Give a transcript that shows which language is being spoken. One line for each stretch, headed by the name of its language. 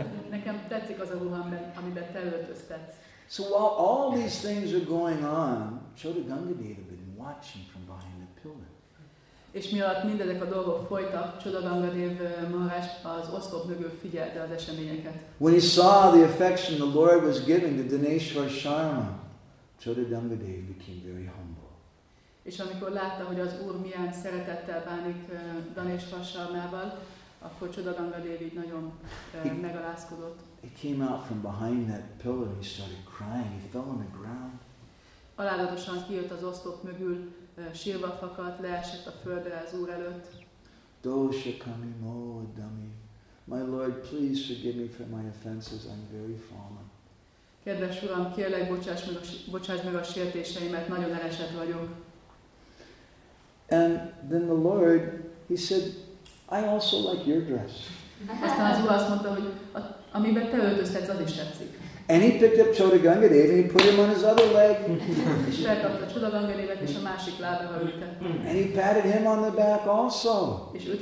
Hungarian: Nekem tetszik az a ruha, amiben te öltöztetsz.
English: So while all these things are going on, Chota Ganga Dev had been watching from behind the pillar.
Hungarian: És mielőtt mindezek a dolgok folytak, Chota Ganga Dev Maharaj az oszlop mögül figyelte az eseményeket.
English: When he saw the affection the Lord was giving to Dineshwar Sharma, Chota Ganga Dev became very humble.
Hungarian: És amikor látta, hogy az Úr milyen szeretettel bánik Dineshwar Sharmával, akkor Csoda Ganga Devi nagyon megalázkodott.
English: He came out from behind that pillar and he started crying. He fell on the ground.
Hungarian: Alázatosan kijött az oszlop mögül, sírva fakadt, leesett a földre az Úr előtt.
Sanskrit: Dosha kamimo adami.
English: My Lord, please forgive me for my offenses. I'm very fallen.
Hungarian: Kedves Uram, kérlek, bocsáss meg a sértéseimet, nagyon elesett vagyok.
English: And then the Lord, he said, I also like your dress.
Hungarian: Aztán az Úr azt mondta, hogy amiben te öltözhetsz, az is tetszik.
English: And he picked up Choda Ganga Devi and he put him on his other leg. And he patted him on the back also.